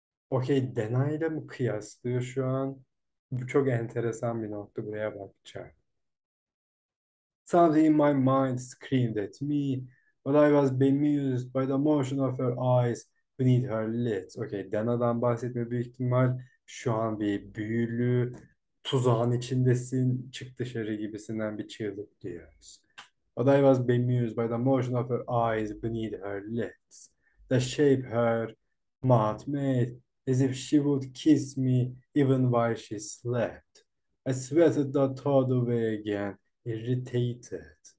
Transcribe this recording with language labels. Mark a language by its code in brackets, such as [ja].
[tr] Okey, Dena ile mi kıyaslıyor şu an? Bu çok enteresan bir nokta, buraya bakacağım. [en] Something in my mind screamed at me, but I was bemused by the motion of her eyes beneath her lids. [tr] Okey, Dena'dan bahsetme büyük ihtimal şu an bir büyülü, tuzağın içindesin, çık dışarı gibisinden bir çığlık diyoruz. [en] But I was bemused by the motion of her eyes beneath her lips, the shape her mouth made, as if she would kiss me even while she slept. I sweated the thought away again, irritated.